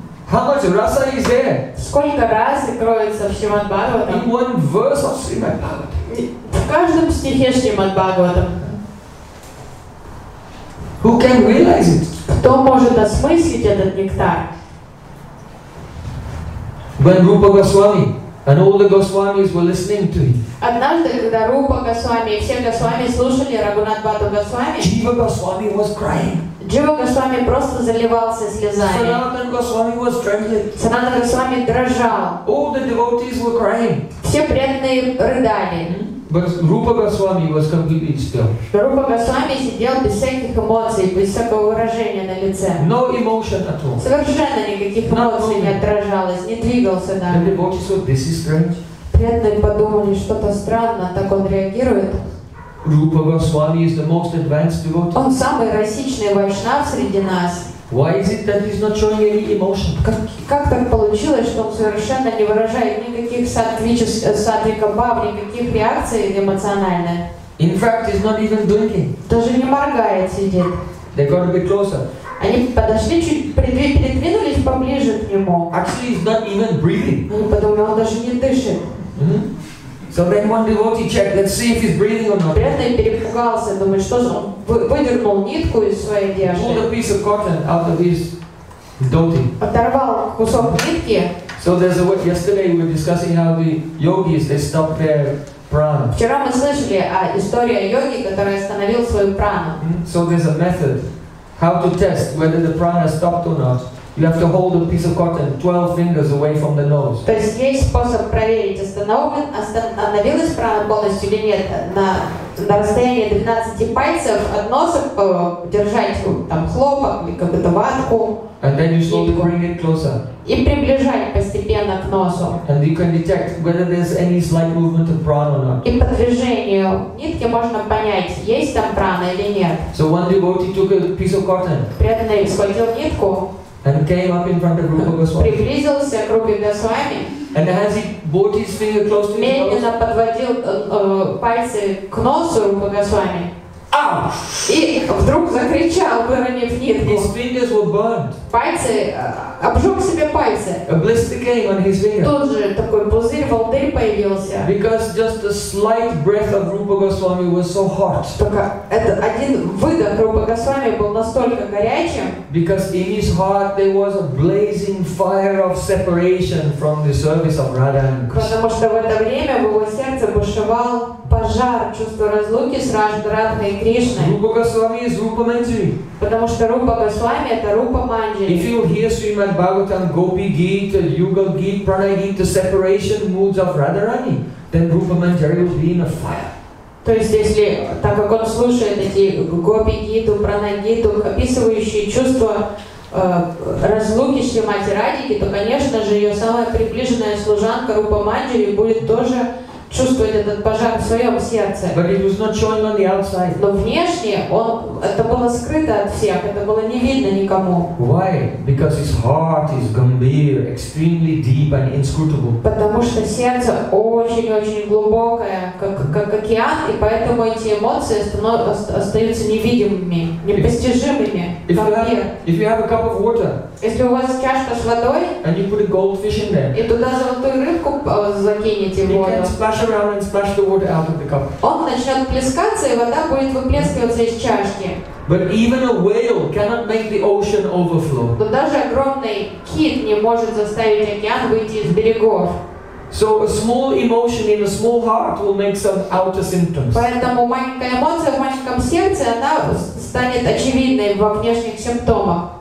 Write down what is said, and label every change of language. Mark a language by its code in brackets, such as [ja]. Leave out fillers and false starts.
[en] How much rasa is there? [ru] Сколько расы кроется в Шримад Бхагаватам? [en] In one verse of Шримад Бхагаватам. [ru] В каждом стихе Шримад Бхагаватам. [en] Who can realize it? [ru] Кто может осмыслить этот нектар? [en] When Rupa Goswami and all the Goswamis were listening to it. [ru] Однажды, когда Рупа Госвами и все Госвами слушали Рагунат Бхатту Госвами, [en] Джива Госвами was crying. [ru] Джива Госвами просто заливался слезами. [en] Санатан Госвами was trembling. [ru] Санатан Госвами дрожал. [en] All the devotees were crying. [ru] Все преданные рыдали. [en] But Rupa Goswami was completely still. [ru] Rupa Goswami сидел без всяких эмоций, без всякого выражения на лице. [en] No emotion at all. [ru] Совершенно никаких эмоций не отражалось, не двигался даже. [en] And the devotees thought, this is strange. [ru] Преданные подумали, что-то странно, так он реагирует. [en] Rupa Goswami is the most advanced devotee. [ru] Он самый расичный вайшнав среди нас. [en] Why is it that he's not showing any emotion? [ru] Как так получилось, что он совершенно не выражает никаких сатвика-бав, никаких реакций эмоциональных? [en] In fact, he's not even blinking. [ru] Даже не моргает, сидит. [en] They got a bit closer. [ru] Они подошли чуть, передвинулись поближе к нему. [en] Actually, he's not even breathing. [ru] Ну, потому что он даже не дышит. [en] So then one devotee checked, let's see if he's breathing or not. [ru] Преданный перепугался, думает, что же он выдернул нитку из своей одежды. [en] Pulled a piece of cotton out of his dhoti. [ru] Оторвал кусок нитки. [en] So there's a word, yesterday we were discussing how the yogis, they stopped their prana. [ru] Вчера мы слышали о истории йоги, который остановил свою прану. [en] So there's a method how to test whether the prana stopped or not. You have to hold a piece of cotton 12 fingers away from the nose. [ru] То есть есть способ проверить, остановилась прана полностью или нет. На расстоянии 12 пальцев от носа держать там хлопок или какую-то ватку. [en] And then you slowly bring it closer. [ru] И приближать постепенно к носу. [en] And you can detect whether there's any slight movement of prana or not. [ru] И по движению нитки можно понять, есть там прана или нет. [en] So one devotee took a piece of cotton. [ru] Преданный схватил нитку. [en] And came up in front of Rupa Goswami. [ru] Приблизился к Рупе Госвами. [en] And as he brought his finger close to his nose. [ru] Медленно подводил пальцы к носу Рупа Госвами. [en] Ouch! [ru] И вдруг закричал, выронив нитку. [en] His fingers were burned. [ru] Пальцы, обжег себе пальцы. [en] A blister came on his finger. [ru] Тут же такой пузырь, волдырь появился. [en] Because just the slight breath of Rupa Goswami was so hot. [ru] Только один выдох Рупа Госвами был настолько настолько горячим. [en] Because in his heart there was a blazing fire of separation from the service of Radha and Krishna. [ru] Потому что в это время в его сердце бушевал пожар чувства разлуки с Радхой и Кришной. [en] Rupa Goswami is Rupa Manjari. [ru] Потому что Rupa Goswami это Rupa Manjari. [en] If you hear Srimad Bhagavatam, Gopi Gita, Yugal Gita, Pranay Gita, separation moods of Radharani, then Rupa Manjari will be in a fire. [ru] То есть, если, так как он слушает эти гопи-гиту, пранагиту, описывающие чувства разлуки Шримати Радики, то, конечно же, ее самая приближенная служанка Рупа Манджари будет тоже чувствовать этот пожар в своем сердце. [en] But it was not shown on the outside. [ru] Но внешне он, это было скрыто от всех, это было не видно никому. [en] Why? Because his heart is gambhir, extremely deep and inscrutable. [ru] Потому что сердце очень-очень глубокое, как океан, и поэтому эти эмоции остаются невидимыми, непостижимыми. [en] If you have a cup of water, [ru] если у вас чашка с водой, [en] and you put a goldfish in there, [ru] и туда золотую рыбку закинете в воду, [en] splash around and splash the water out of the cup. [ru] Он начнет плескаться, и вода будет выплескиваться из чашки. [en] But even a whale cannot make the ocean overflow. [ru] Но даже огромный кит не может заставить океан выйти из берегов. [en] So a small emotion in a small heart will make some outer symptoms. [ru] Поэтому маленькая эмоция в маленьком сердце, она станет очевидной во внешних симптомах.